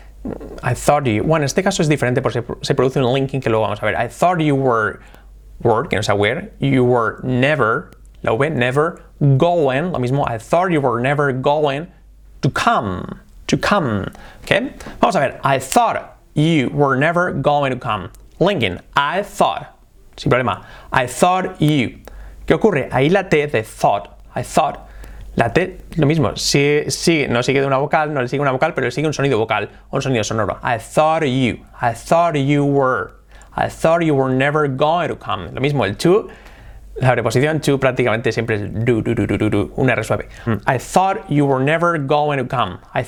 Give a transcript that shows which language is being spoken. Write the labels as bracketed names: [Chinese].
[Spanish] Bueno, en este caso es diferente porque se produce un linking que luego vamos a ver. [English] I thought you were, [Spanish] que no sea where, [English] you were never, [Spanish] la V, never, going, lo mismo, [English] I thought you were never going to come. To come, ¿ok? [Spanish] Vamos a ver, [English] I thought you were never going to come. Linking, I thought, [Spanish] sin problema, [English] I thought you. [Spanish] ¿Qué ocurre? Ahí la T de thought, I thought, la T, lo mismo, sigue, no sigue de una vocal, no le sigue una vocal, pero le sigue un sonido vocal, un sonido sonoro. [English] I thought you were never going to come. [Spanish] Lo mismo, el to, la preposición to prácticamente siempre es do, una R suave. [English] I thought you were never going to come.